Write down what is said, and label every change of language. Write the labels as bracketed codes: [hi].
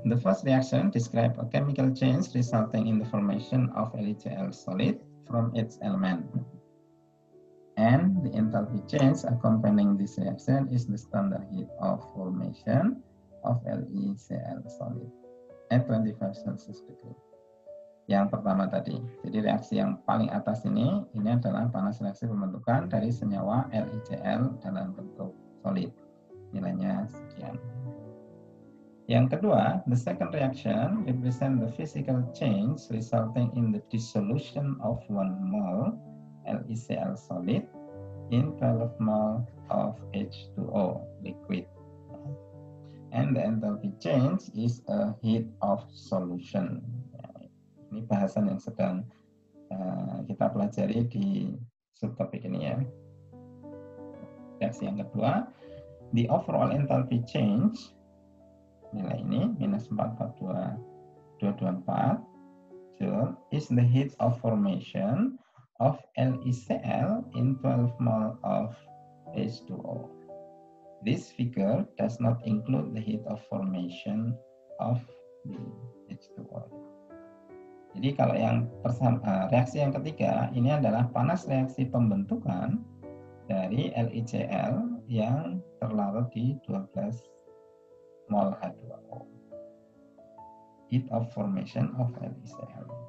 [en] The first reaction describe a chemical change resulting in the formation of LiCl solid from its element. And the enthalpy change accompanying this reaction is the standard heat of formation of LiCl solid at 25 Celsius degree. [id] Yang pertama tadi, jadi reaksi yang paling atas ini adalah panas reaksi pembentukan dari senyawa LiCl dalam bentuk solid. Nilainya sekian. Yang kedua, [en] the second reaction represent the physical change resulting in the dissolution of 1 mol LiCl solid in 12 mol of H2O liquid. And the enthalpy change is a heat of solution. [id] Ini bahasan yang sedang kita pelajari di subtopik ini ya. Reaksi yang kedua, [en] the overall enthalpy change, [id] nilai ini minus [en] 442,224 Joule, is the heat of formation of LiCl in 12 mol of H2O. This figure does not include the heat of formation of the H2O. [id] Jadi kalau yang reaksi yang ketiga ini adalah panas reaksi pembentukan dari LiCl yang terlarut di 12 mol H2O. [en] Heat of formation of LiCl.